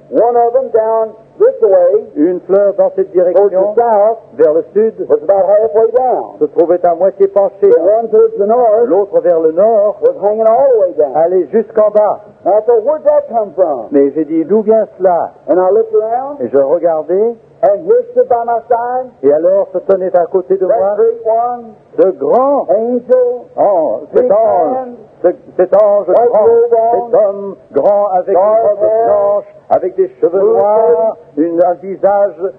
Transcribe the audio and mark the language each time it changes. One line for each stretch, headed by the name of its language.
English: One of them down this way.
French: Une fleur dans cette direction.
English: Towards the south.
French: Vers le sud.
English: Was about halfway down.
French: Se trouvait à moitié penché.
English: The one towards the north.
French: L'autre vers le nord.
English: Was hanging all the way down.
French: Allait jusqu'en bas.
English: And I thought, where'd that come from?
French: Mais j'ai dit, d'où vient cela?
English: And I looked around.
French: Et je regardais.
English: And he stood by my side.
French: Et alors se tenait à côté de
English: that
French: moi.
English: Great one.
French: Ce grand
English: angel.
French: Oh, cet ange. Cet ange grand. Cet homme grand avec une robe blanche, avec des cheveux noirs, un visage.